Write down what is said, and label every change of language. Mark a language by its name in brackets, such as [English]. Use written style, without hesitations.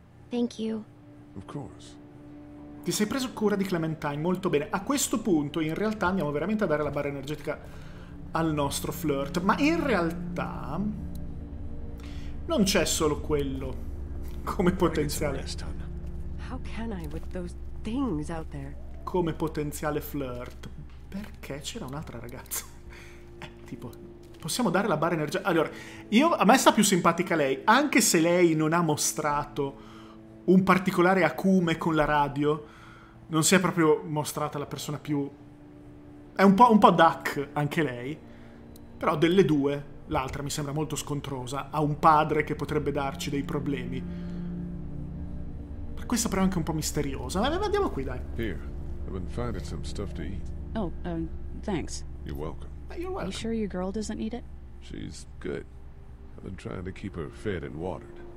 [English] Thank you. Of course. [Italian] Ti sei preso cura di Clementine, molto bene. A questo punto, in realtà, andiamo veramente a dare la barra energetica al nostro flirt. Ma in realtà non c'è solo quello come potenziale. [English] How can I with those things out there? [Italian] Come potenziale flirt. Perché c'era un'altra ragazza. Tipo, possiamo dare la barra energetica. Allora, io, a me sta più simpatica lei, anche se lei non ha mostrato un particolare acume con la radio. Non si è proprio mostrata la persona più... È un po' duck anche lei. Però delle due, l'altra mi sembra molto scontrosa. Ha un padre che potrebbe darci dei problemi. Per questa però è anche un po' misteriosa. Ma andiamo qui, dai. [English] Here, I've been finding some stuff to eat. Oh, thanks. You're welcome. But you're welcome. Are you sure your girl doesn't need it? She's good. I've been trying to keep her fed and watered.